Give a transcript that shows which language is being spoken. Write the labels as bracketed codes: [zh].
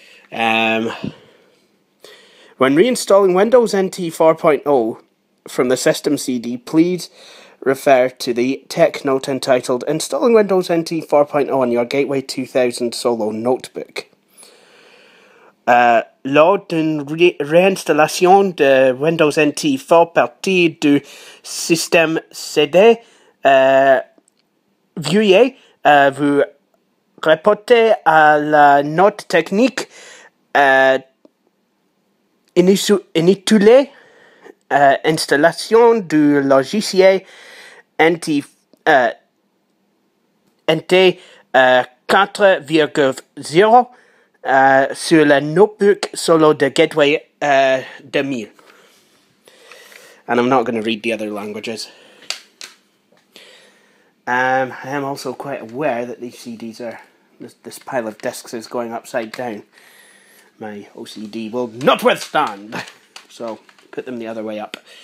[en] When reinstalling Windows NT 4.0 from the System CD, please refer to the tech note entitled Installing Windows NT 4.0 on your Gateway 2000 Solo Notebook. [fr] Lors d'une réinstallation de Windows NT fait partie du système CD, veuillez vous reporter à la note technique intitulée Installation du logiciel NT 4.0 sur le notebook solo de Gateway 2000. [en] And I'm not going to read the other languages. I am also quite aware that these CDs are... This pile of discs is going upside down. My OCD will not withstand. So, put them the other way up.